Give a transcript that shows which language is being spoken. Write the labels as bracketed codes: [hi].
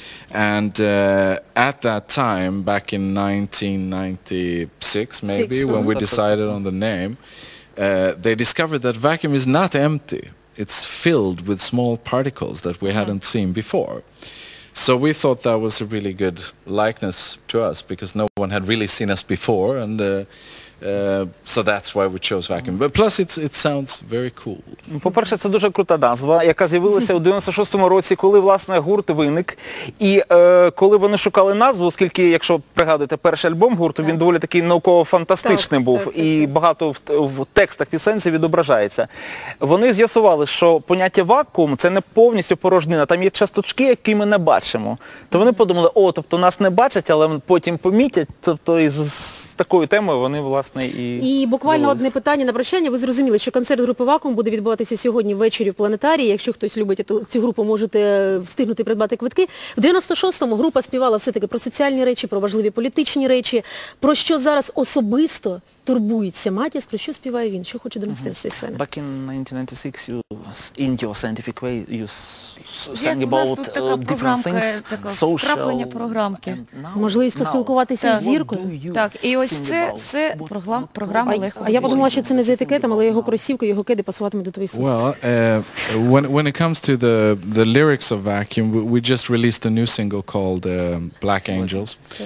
[en] And at that time, back in 1996, maybe, when we decided on the name, they discovered that vacuum is not empty. It's filled with small particles that we hadn't seen before. So we thought that was a really good likeness to us, because no one had really seen us before, and so that's why we chose vacuum. But plus, it sounds very cool. [uk] По-перше, це дуже крута назва, яка з'явилася у 96-му році, коли, власне, гурт виник. І коли вони шукали назву, оскільки, якщо пригадуєте, перший альбом гурту, він доволі такий науково-фантастичний був, і багато в текстах пісень це відображається. Вони з'ясували, що поняття вакуум – це не повністю порожнина, там є часточки, які ми не бачимо. То вони подумали, о, тобто нас не бачать, але потім помітять, тобто із такою темою вони, власне, і буквально одне питання на прощання. Ви зрозуміли, що концерт групи «Вакуум» буде відбуватися сьогодні ввечері в планетарії. Якщо хтось любить цю групу, можете встигнути придбати квитки. В 96-му група співала все-таки про соціальні речі, про важливі політичні речі. Про що зараз особисто турбується Матіас, про що співає він, що хоче донести з цієї сцени? [en] Back in 1996, you, in your scientific way, you sang about different things, [uk] social... Як програмки. Можливість поспілкуватися з зіркою. Так, і ось це все програма легко. А я подумала, що це не за етикетом, але його кросівки, його кеди пасуватимуть до твоїх сумок. [en] Well, when it comes to the lyrics of Vacuum, we just released a new single called Black Angels.